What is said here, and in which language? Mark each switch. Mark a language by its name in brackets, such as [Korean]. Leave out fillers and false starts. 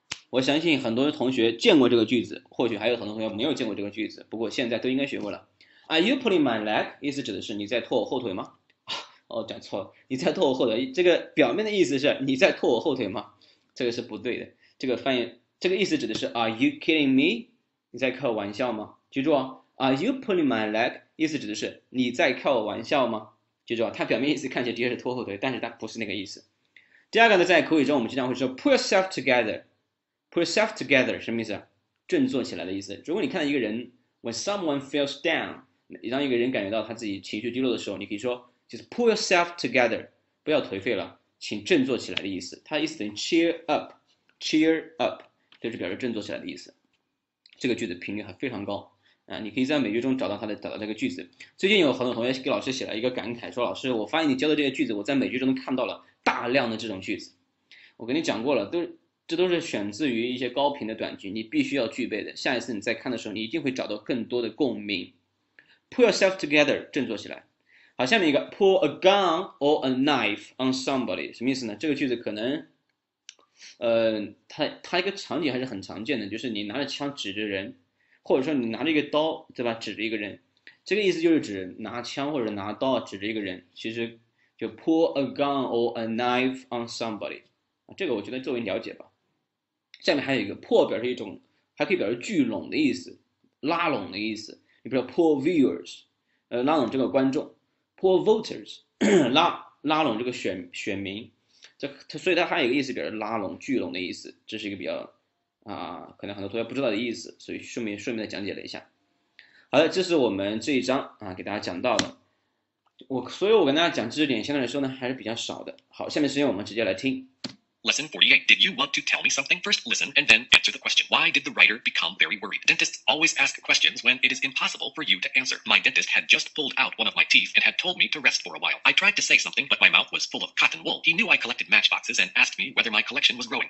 [Chinese] 我相信很多同学见过这个句子，或许还有很多同学没有见过这个句子，不过现在都应该学过了。 [English] Are you pulling my leg？ [Chinese] 意思指的是你在拖我后腿吗？哦，讲错了，你在拖我后腿。这个表面的意思是你在拖我后腿吗？这个是不对的。这个翻译，这个意思指的是 [English] Are you kidding me？ [Chinese] 你在开我玩笑吗？ [English] 记住哦，Are you pulling my leg？ [Chinese] 意思指的是你在开我玩笑吗？记住啊，它表面意思看起来的确是拖后腿，但是它不是那个意思。第二个呢，在口语中我们经常会说 [English] "put yourself together"，" [Chinese] put yourself together" 什么意思？振作起来的意思。如果你看到一个人 [English] "when someone feels down"， [Chinese] 让一个人感觉到他自己情绪低落的时候，你可以说就是 [English] "put yourself together"， [Chinese] 不要颓废了，请振作起来的意思。它的意思等于 [English] "cheer up"，" [Chinese] cheer up" 就是表示振作起来的意思。这个句子频率还非常高。啊，你可以在美剧中找到他的，找到这个句子。最近有很多同学给老师写了一个感慨，说老师，我发现你教的这些句子，我在美剧中看到了大量的这种句子。我跟你讲过了，这都是选自于一些高频的短句，你必须要具备的。下一次你再看的时候，你一定会找到更多的共鸣。 [English] Pull yourself together， [Chinese] 振作起来。好，下面一个， [English] pull a gun or a knife on somebody， [Chinese] 什么意思呢？这个句子可能，它一个场景还是很常见的，就是你拿着枪指着人。或者说你拿着一个刀，对吧？指着一个人，这个意思就是指拿枪或者拿刀指着一个人。其实就 [English] pull a gun or a knife on somebody， [Chinese] 啊，这个我觉得作为了解吧。下面还有一个 pull 表示一种，还可以表示聚拢的意思，拉拢的意思。你比如说 [English] pull viewers， [Chinese] 拉拢这个观众； [English] pull voters， [Chinese] 拉拢这个选民。所以它还有一个意思，表示拉拢、聚拢的意思。这是一个比较。啊，可能很多同学不知道的意思，所以顺便的讲解了一下。好的，这是我们这一章啊，给大家讲到的。所以我跟大家讲知识点，相对来说呢还是比较少的。好，下面时间我们直接来听。 [English] Lesson 48. Did you want to tell me something? First, listen and then answer the question. Why did the writer become very worried? Dentists always ask questions when it is impossible for you to answer. My dentist had just pulled out one of my teeth and had told me to rest for a while. I tried to say something, but my mouth was full of cotton wool. He knew I collected matchboxes and asked me whether my collection was growing.